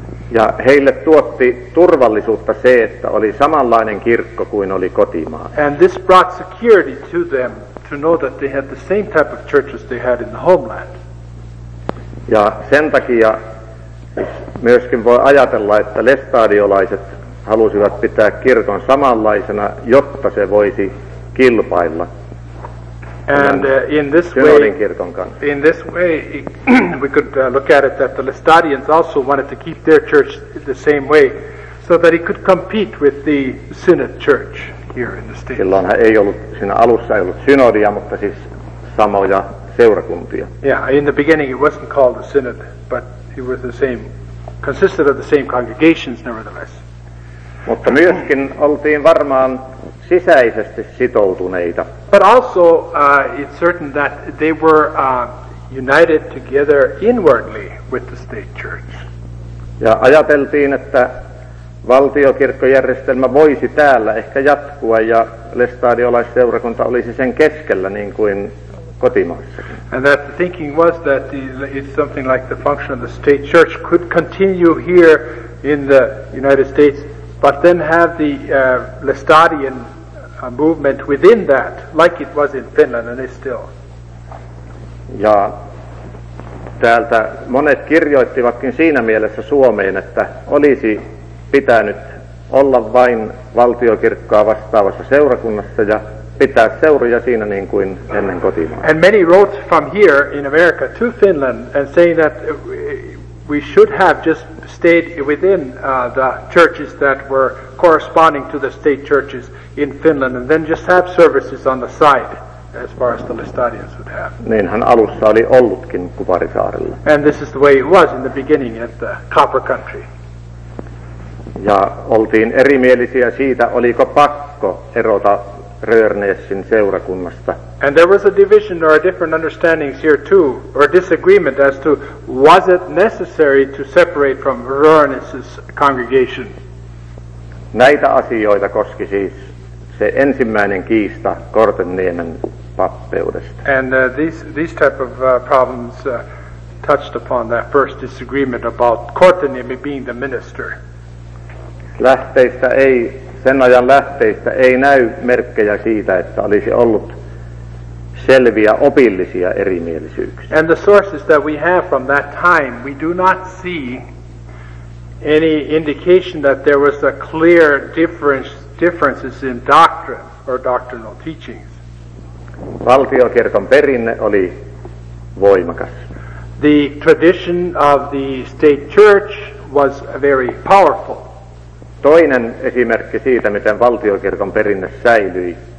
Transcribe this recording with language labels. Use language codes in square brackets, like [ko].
[fi] Ja heille tuotti turvallisuutta se, että oli samanlainen kirkko kuin oli kotimaa. [en] And this brought security to them to know that they had the same type of churches they had in the homeland. [fi] Ja sen takia myöskin voi ajatella, että lestadiolaiset halusivat pitää kirkon samanlaisena, jotta se voisi kilpailla. [en] And in this way we could look at it that the Lestadians also wanted to keep their church the same way so that it could compete with the synod church here in the state. [fi] Silloinhan ei ollut siinä alussa ei ollut synodia, mutta siis samoja seurakuntia. [en] Yeah, in the beginning it wasn't called a synod, but it was the same, consisted of the same congregations nevertheless. [fi] Mutta myöskin oltiin varmaan sisäisesti sitoutuneita. [en] But also it's certain that they were united together inwardly with the state church. [fi] Ja ajateltiin, että valtiokirkkojärjestelmä voisi täällä ehkä jatkua ja lestadiolaisseurakunta olisi sen keskellä niin kuin kotimaassakin. [en] And that the thinking was that it's something like the function of the state church could continue here in the United States, but then have the Lestadian movement within that, like it was in Finland and is still. [fi] Ja täältä monet kirjoittivatkin siinä mielessä Suomeen, että olisi pitänyt olla vain valtiokirkkoa vastaavassa seurakunnassa ja pitää seuroja siinä niin kuin ennen kotimaa. [en] And many wrote from here in America to Finland and saying that we should have just stayed within the churches that were corresponding to the state churches in Finland and then just have services on the side as far as the Lestadians would have. [fi] Niinhän alussa oli ollutkin Kuparisaarella. [en] And this is the way it was in the beginning at the Copper Country. [fi] Ja oltiin erimielisiä siitä, oliko pakko erota Rörnäsin seurakunnasta. [en] And there was a division or a different understandings here too, or disagreement as to was it necessary to separate from Rörnäs's congregation. [fi] Näitä asioita koski siis se ensimmäinen kiista Kortenniemen pappeudesta. [en] And these type of problems touched upon that first disagreement about Kortenniemi being the minister. [fi] Lähteistä ei, sen ajan lähteistä ei näy merkkejä siitä, että olisi ollut selviä opillisia erimielisyyksiä. [en] And the sources that we have from that time, we do not see any indication that there was a clear differences in doctrine or doctrinal teachings. [fi] Valtiokirkon perinne oli voimakas. [en] The tradition of the state church was very powerful. [fi] Toinen esimerkki siitä, miten valtiokirkon perinne säilyi.